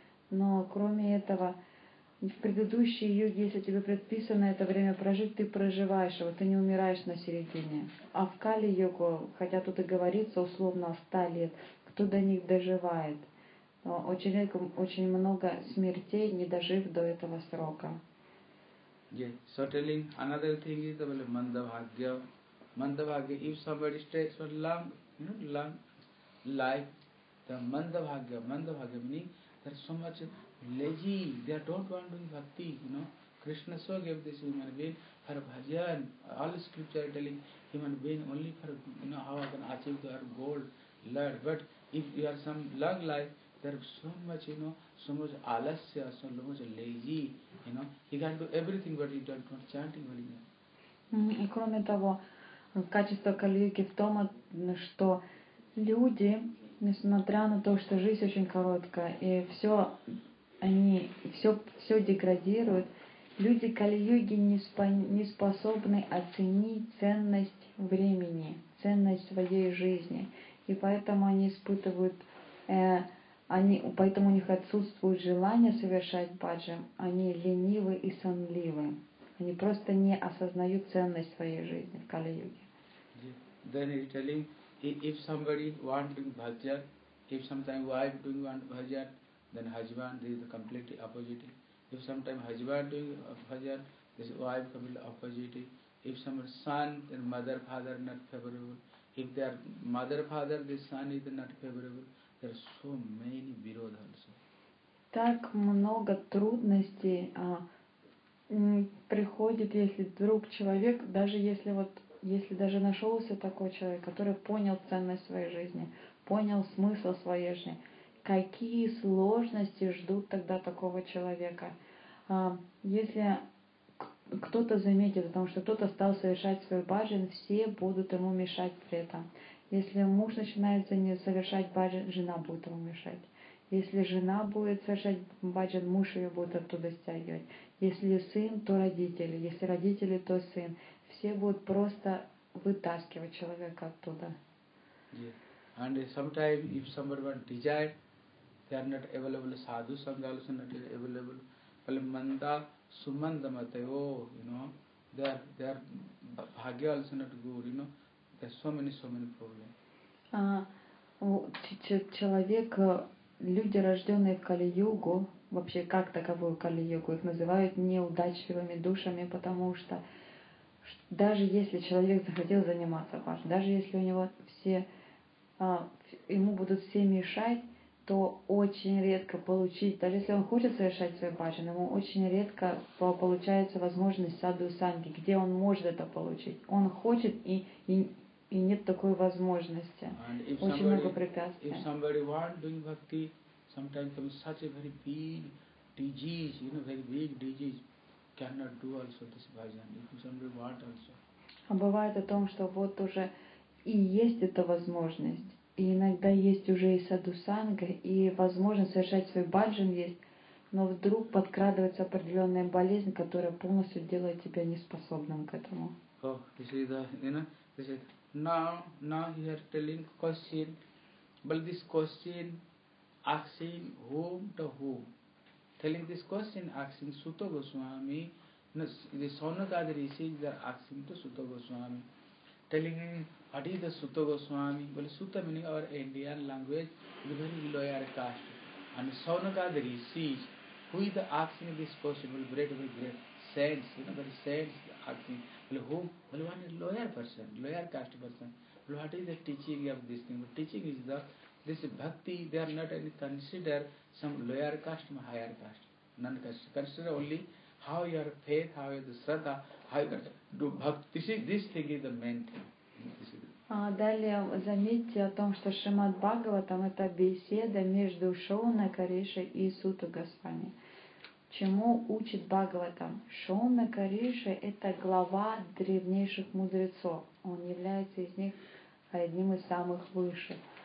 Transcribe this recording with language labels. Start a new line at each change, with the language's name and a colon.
Russian: Но кроме этого, в предыдущей юге, если тебе предписано это время прожить, ты проживаешь его, ты не умираешь на середине. А в Кали-йогу, хотя тут и говорится условно о 100 лет, кто до них доживает? Очень редко, очень много смертей, не дожив до этого срока.
English: Yeah. So telling another thing is about Mandavagya. Mandavagya, if somebody stays for long, you know, long life, the Mandavagya, Mandavagya meaning there's so much lazy, they don't want to be bhakti, you know. Krishna so gave this human being for bhajan. All scripture telling human being only for, you know, how I can achieve their goal, Lord. But if you are some long life, there is so much, you know, so much alasya, so much lazy, you know. He can do everything, but he don't want chanting only. Mm-hmm.
Russian: И кроме того, качество Кали-Юги в том, что люди, несмотря на то, что жизнь очень короткая, и все они все деградируют, Люди Кали-юги не способны оценить ценность времени, ценность своей жизни. И поэтому они испытывают, поэтому у них отсутствует желание совершать баджан, они ленивы и сонливы. Они просто не осознают ценность своей жизни в Кали-юге.
English: Then he's telling, if somebody wants to do bhajan, if sometimes wife doing want bhajan, then husband, this is completely opposite. If sometimes husband doing bhajan, this wife completely opposite. If some son, then mother, father not favorable. If they are mother, father, this son is not favorable. There are so many virodha also.
Russian: Так много трудностей приходит, если вдруг человек, даже если вот если даже нашелся такой человек, который понял ценность своей жизни, понял смысл своей жизни, какие сложности ждут тогда такого человека? Если кто-то заметит, потому что кто-то стал совершать свой баджан, все будут ему мешать при этом. Если муж начинает совершать баджан, жена будет ему мешать. Если жена будет совершать баджан, муж ее будет оттуда стягивать. Если сын, то родители. Если родители, то сын. Все будут просто вытаскивать человека оттуда.
English: Yeah. And sometimes if someone desired, they are not available, sadhu sangha also not available. Palamanda sumanda matayo, you know, they are bhagya also not good, you know. There's so many problems.
Russian: Человек, люди, рожденные в Кали-югу, вообще как таковую Кали-югу, их называют неудачливыми душами, потому что даже если человек захотел заниматься баджан, даже если у него все ему будут все мешать, то очень редко получить, даже если он хочет совершать свой баджан, ему очень редко получается возможность саду-санги, где он может это получить. Он хочет и нет такой возможности. Очень много препятствий.
English: If somebody wants doing bhakti, sometimes comes such a very big disease, you know, very big disease. Cannot do also this bhajan. If somebody wants also.
Russian: А бывает о том, что вот уже и есть эта возможность, и иногда есть уже и садусанга, и возможность совершать свой баджан есть, но вдруг подкрадывается определенная болезнь, которая полностью делает тебя неспособным к этому.
English: Oh, this is the, you know, this is now he is telling question, but this question asking whom to whom. Telling this question, asking Sutta Goswami, the Sonatada Rishi is asking to Sutta Goswami. Telling him, what is the Sutta Goswami? Well, Sutta meaning our Indian language, the very lower caste. And Sonatada Rishi, who is the asking this question? Well, great saints, you know, the saints asking. Well, who? Well, one is lower person, lower caste person. Well, what is the teaching of this thing? Well, teaching is the this bhakti, they are not any consider some lower caste or higher caste. None caste. Consider only how your faith, how your sraddha, how your do bhakti. This thing is the main thing.
Russian: Далее заметьте о том, что Шримад Бхагаватам это беседа между Шоуна Кариша и Сута Госвами. Чему учит Бхагаватам? Шоуна Кариша это глава древнейших мудрецов. Он является из них одним из самых высших.